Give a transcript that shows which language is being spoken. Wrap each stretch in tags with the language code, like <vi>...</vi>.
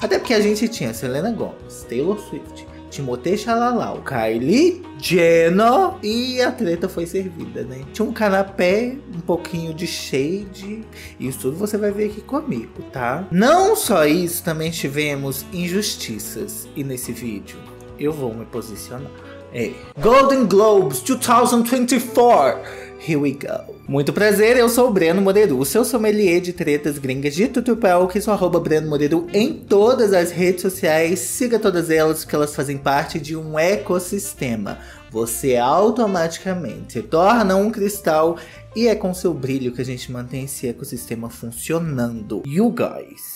<pt>Até porque a gente tinha Selena Gomez, Taylor Swift, Timothée Chalamet, Kylie Jenner, e a treta foi servida, né? Tinha um canapé, um pouquinho de shade, isso tudo você vai ver aqui comigo, tá? Não só isso, também tivemos injustiças, e nesse vídeo eu vou me posicionar. É.</pt> <en>Golden Globes 2024, here we go.</en> <pt>Muito prazer, eu sou o Breno Moreiro, o seu sommelier de tretas gringas de tutupel, que sou arroba Breno Moreiro em todas as redes sociais. Siga todas elas, porque elas fazem parte de um ecossistema. Você automaticamente se torna um cristal e é com seu brilho que a gente mantém esse ecossistema funcionando.</pt> <en>You guys.</en>